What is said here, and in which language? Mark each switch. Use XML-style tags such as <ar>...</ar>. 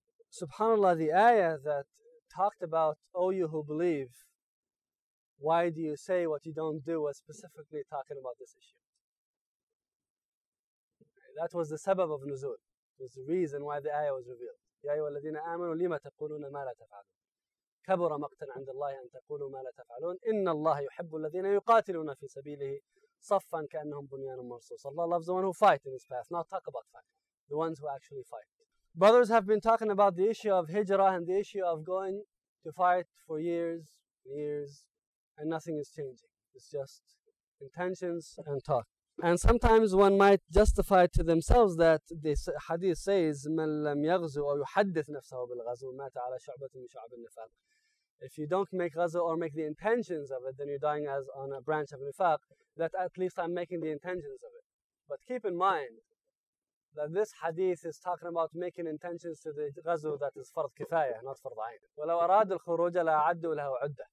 <en>SubhanAllah, the ayah that talked about, O you who believe, why do you say what you don't do, was specifically talking about this issue. That was the sabab of nuzul. It was the reason why the ayah was revealed.</en> <ar>يَا أَيُّهَا الَّذِينَ آمَنُوا لِمَ تَقُولُونَ مَا لَا تَفْعَلُونَ كبر مقتا عند الله أن تقولوا ما لا تفعلون إن الله يحب الذين يقاتلون في سبيله صفا كأنهم بنيان مرصوص.</ar> <en>Allah loves the one who fight in his path, not talk about fight, the ones who actually fight. Brothers have been talking about the issue of hijrah and the issue of going to fight for years and years, and nothing is changing. It's just intentions and talk. And sometimes one might justify to themselves that this hadith says</en> <ar>من لم يغزو أو يحدث نفسه بالغزو مات على شعبة من شعب النفاق.</ar> <en>If you don't make ghazu or make the intentions of it, then you're dying as on a branch of nifaq, that at least I'm making the intentions of it. But keep in mind that this hadith is talking about making intentions to the ghazu that is fard kifaya, not fard ayn.</en> <ar>وَلَوْ أَرَادُ الْخُرُوجَ لَأَعَدُّوا لَهُ عُدَّةً.</ar>